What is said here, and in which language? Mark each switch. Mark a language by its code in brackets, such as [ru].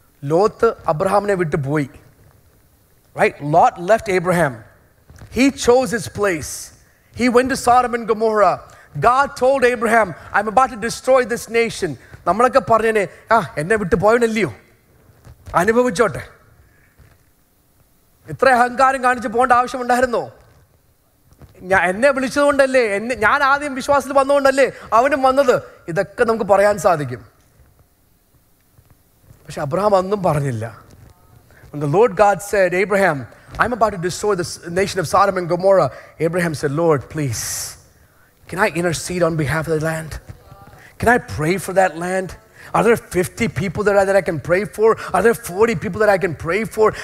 [ml] Lot അബ്രഹാമിനെ വിട്ടു പോയി [en] right Lot left Abraham he chose his place he went to Sodom and Gomorrah God told Abraham I am about to destroy this nation [ml] നമ്മളൊക്കെ പറഞ്ഞേനെ ആ എന്നെ വിട്ടു പോയവനല്ലയോ അനുഭവിച്ചോട്ടെ ഇത്ര അഹങ്കാരം കാണിച്ച് പോകേണ്ട ആവശ്യമുണ്ടായിരുന്നോ ഞാൻ എന്നെ വിളിച്ചതുകൊണ്ടല്ലേ എന്നെ ഞാൻ ആദ്യം വിശ്വാസത്തിൽ വന്നതുകൊണ്ടല്ലേ അവനും വന്നത് ഇതൊക്കെ നമുക്ക് പറയാൻ സാധിക്കും പക്ഷെ അബ്രഹാം ഒന്നും പറഞ്ഞില്ല [en] When the Lord God said, Abraham, I'm about to destroy the nation of Sodom and Gomorrah, Abraham said, Lord, please, can I intercede on behalf of the land? Can I pray for that land? Are there 50 people that I can pray for? Are there 40 people that I can pray for?